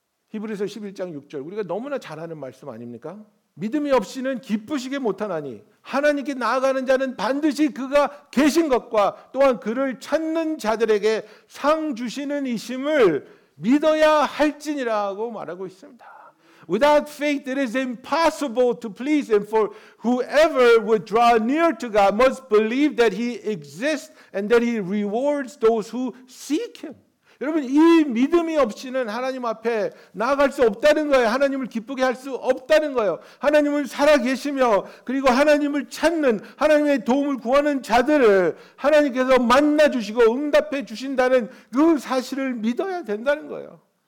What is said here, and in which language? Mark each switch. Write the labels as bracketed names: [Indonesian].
[Korean] 히브리서 11장 6절 우리가 너무나 잘하는 말씀 아닙니까? 믿음이 없이는 기쁘시게 못하나니 하나님께 나아가는 자는 반드시 그가 계신 것과 또한 그를 찾는 자들에게 상 주시는 이심을 믿어야 할지니라고 말하고 있습니다. [English] Without faith, it is impossible to please Him. For whoever would draw near to God must believe that He exists and that He rewards those who seek Him. [Korean] 여러분, 이 믿음이 없이는 하나님 앞에 나아갈 수 없다는 거예요. 하나님을 기쁘게 할 수 없다는 거예요. 하나님은 살아계시며 그리고 하나님을 찾는 하나님의 도움을 구하는 자들을 하나님께서 만나주시고 응답해 주신다는 그 사실을 믿어야 된다는 거예요.